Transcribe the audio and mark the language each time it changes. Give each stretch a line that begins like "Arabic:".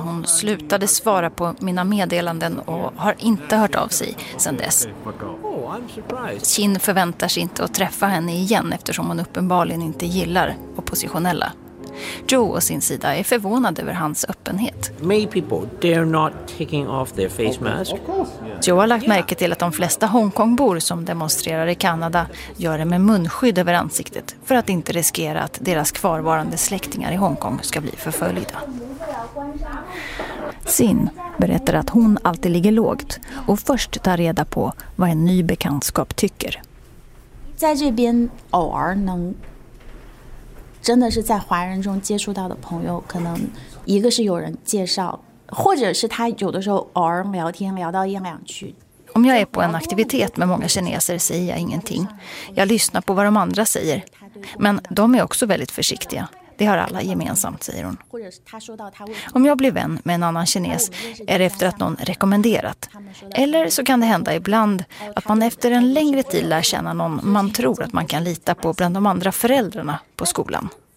Swedish: Hon slutade svara på mina meddelanden och har inte hört av sig sedan dess. Qin förväntar sig inte att träffa henne igen eftersom hon uppenbarligen inte gillar oppositionella. Joe å sin sida är förvånad över hans öppenhet.
English: Many people, they're not taking off their face mask.
Swedish: Joe har lagt märke till att de flesta Hongkongbor som demonstrerar i Kanada gör det med munskydd över ansiktet för att inte riskera att deras kvarvarande släktingar i Hongkong ska bli förföljda. Xin berättar att hon alltid ligger lågt och först tar reda på vad en ny bekantskap tycker. Här kan
Chinese: 真的是在华人中接触到的朋友，可能一个是有人介绍，或者是他有的时候偶尔聊天聊到一两句。
Swedish: Om jag är på en aktivitet med många kineser säger jag ingenting. Jag lyssnar på vad de andra säger. Men de är också väldigt försiktiga. Det har alla gemensamt, säger hon. Om jag blir vän med en annan kines är det efter att någon rekommenderat. Eller så kan det hända ibland att man efter en längre tid lär känna någon man tror att man kan lita på bland de andra föräldrarna på skolan.